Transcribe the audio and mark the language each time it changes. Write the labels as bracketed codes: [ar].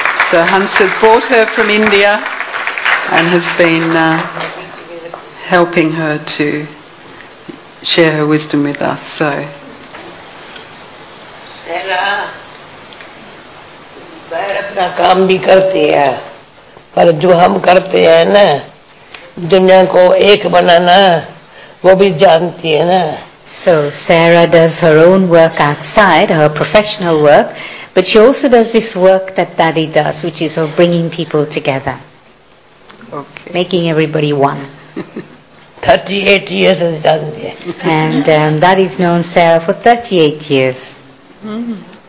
[en] So Hansa's brought her from India and has been helping her to share her wisdom with us. So, [hi] Stella, पैर अपना काम भी करते हैं पर जो हम करते हैं ना दुनिया को एक बनाना वो भी जानती है ना. [en] So Sarah does her own work outside, her professional work, but she also does this work that Daddy does, which is of bringing people together, okay, making everybody one. 38 years has done this. And Daddy's known Sarah for 38 years.